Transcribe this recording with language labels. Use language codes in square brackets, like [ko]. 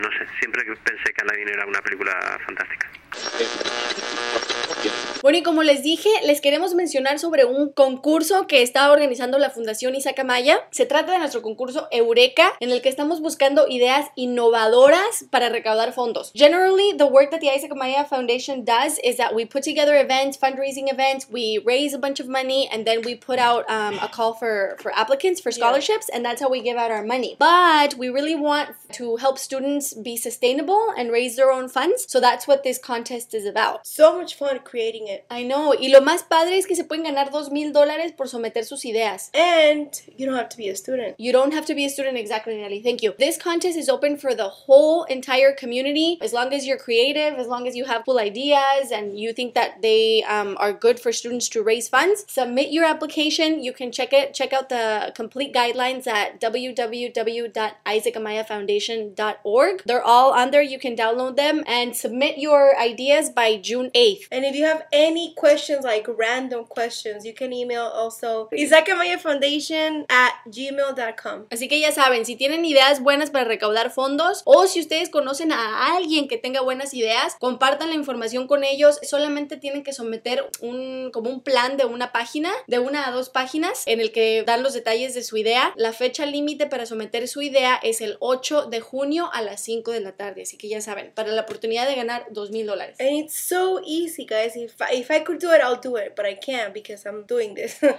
[es] No sé, siempre pensé que Aladdin era una película fantástica. Bueno, y como les dije, les queremos mencionar sobre un concurso que está organizando la Fundación Isaac Amaya. Se trata de nuestro concurso Eureka, en el que estamos buscando ideas innovadoras para recaudar fondos. [en] Generally, the work that the Isaac Amaya Foundation does is that we put together events, fundraising events, we raise a bunch of money, and then we put out a call for applicants for scholarships, and that's how we give out our money. But we really want to help students be sustainable and raise their own funds, so that's what this contest is about. So much fun creating it. I know. [es] Y lo más padre es que se pueden ganar $2,000 por someter sus ideas. [en] And you don't have to be a student. You don't have to be a student, exactly, Nelly. Thank you. This contest is open for the whole entire community. As long as you're creative, as long as you have cool ideas and you think that they are good for students to raise funds, submit your application. You can check out the complete guidelines at www.isaacamayafoundation.org. They're all on there. You can download them and submit your ideas by June 8th. And if you have any questions, like random questions, you can email also isaacamayafoundation@gmail.com. [es] Así que ya saben, si tienen ideas buenas para recaudar fondos o si ustedes conocen a alguien que tenga buenas ideas, compartan la información con ellos. Solamente tienen que someter un plan de una página, de una a dos páginas, en el que dan los detalles de su idea. La fecha límite para someter su idea es el 8 de junio a las 5 de la tarde. Así que ya saben, para la oportunidad de ganar $2,000. [en] And it's so easy, guys. If I could do it, I'll do it. But I can't because I'm doing this.